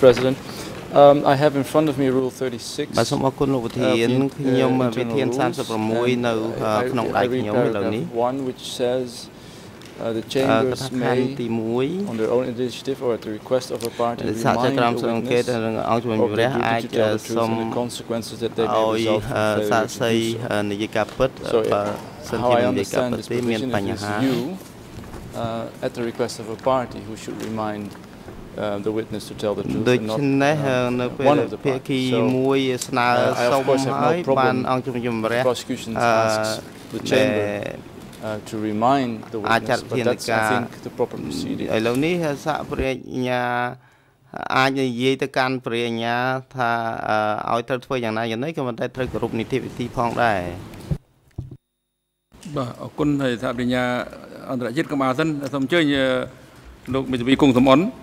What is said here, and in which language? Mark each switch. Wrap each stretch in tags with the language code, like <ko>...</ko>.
<en>President I have in front of me rule 36</en> <km>បាទសូមអរគុណលោកវិធានខ្ញុំវិធាន36នៅក្នុងដៃខ្ញុំឥឡូវនេះ</km> <en>one which saysthe chambers may on their own initiative or at the request of a party remind the witness of the duty to tell the truth and the consequences that they may result from failure to do so. So how I understand this position is it's you, at the request of a party, who should remindthe witness to tell the truth and not one of the parties. So I of course have no problem with prosecution to ask the chamber. To remind the witness, but that's, I think, the proper proceeding.</en> <km>ឥឡូវនេះសហប្រញ្ញាអាចនិយាយទៅកាន់ប្រញ្ញាថាឲ្យត្រូវធ្វើយ៉ាងណាយ៉ាងណីក៏មិនតែត្រូវគោរពនីតិវិធីផងដែរ បាទអរគុណហើយសហប្រញ្ញាអន្តរជាតិកម្ពុជាសិនសូមអញ្ជើញលោកមេធាវីគង់សំអន</km>